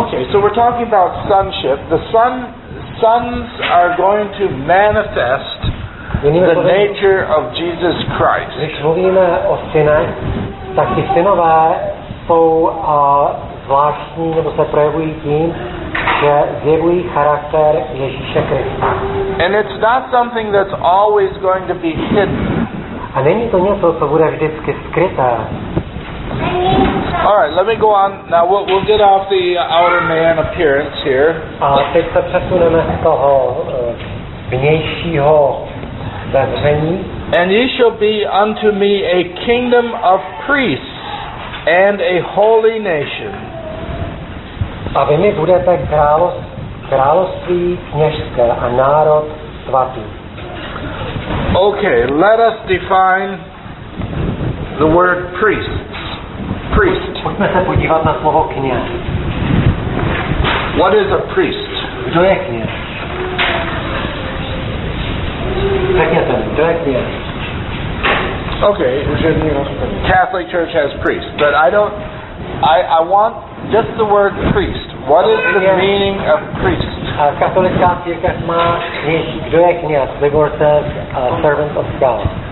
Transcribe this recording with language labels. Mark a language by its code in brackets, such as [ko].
[en] So we're talking about sonship. The sons are going to manifest the nature of Jesus Christ. [cs] Když mluvíme o synech, tak ty synové jsou zvláštní, nebo se projevují tím, že zjevují charakter Ježíše Krista. [en] And it's not something that's always going to be hidden. [cs] A není to něco, co bude vždycky skryté. [en] All right, let me go on. Now we'll get off the outer man appearance here. [cs] A teď se přesuneme z toho vnějšího zavření. [en] And ye shall be unto me a kingdom of priests and a holy nation. [cs] A vy mi budete království kněžské a národ svatý. [en] Okay, let us define the word priests. Priest. [cs] Pojďme se podívat na slovo kněz. [en] What is a priest? [cs] Kdo je kněz? Řekněte, kdo je kněz? [en] Okay, Catholic Church has priests, but I want just the word priest. What is the meaning of priest? [cs] Katolická církev má kněz. Kdo je kněz? [en] Libor says, servant of God.